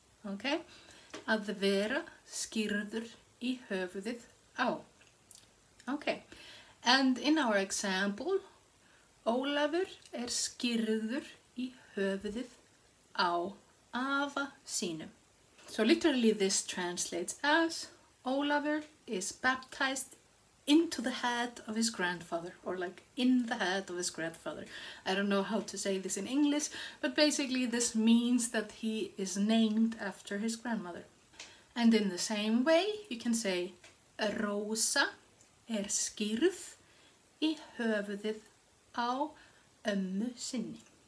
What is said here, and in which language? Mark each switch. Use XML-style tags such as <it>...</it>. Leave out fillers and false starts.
<is>Okay, að vera skýrður í höfuðið á.</is> <en>Okay, and in our example, Ólafur skýrður í höfuðið á afa sínum. So literally this translates as Ólafur is baptized into the head of his grandfather, or like in the head of his grandfather. I don't know how to say this in English, but basically this means that he is named after his grandmother. And in the same way, you can say Rosa skýrð í höfuðið á ömmu sinni.</en>